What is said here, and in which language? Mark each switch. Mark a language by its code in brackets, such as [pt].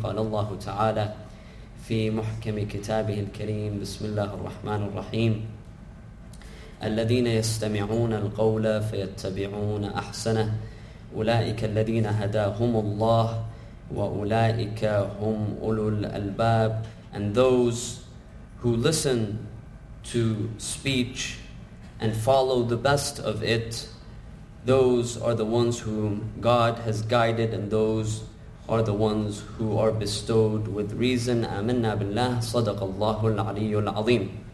[ar] قال الله تعالى في محكم كتابه الكريم، بسم الله الرحمن الرحيم: الذين يستمعون القول فيتبعون أحسنه، أولئك الذين هداهم الله وأولئك هم أولو الألباب. [en] And those who listen to speech and follow the best of it, those are the ones whom God has guided, and those are the ones who are bestowed with reason. [ar] آمنا بالله، صدق الله العلي العظيم.